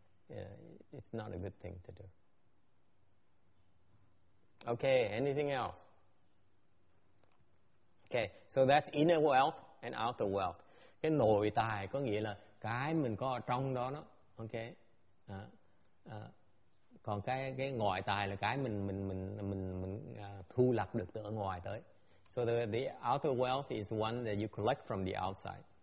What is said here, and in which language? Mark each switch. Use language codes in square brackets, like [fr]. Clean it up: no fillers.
[en] Yeah, it's not a good thing to do. Okay, anything else? Okay, so that's inner wealth and outer wealth. [vi] Cái nội tài có nghĩa là cái mình có ở trong đó nó, okay. Còn cái ngoại tài là cái mình thu lập được từ ở ngoài tới. [en] So the outer wealth is one that you collect from the outside.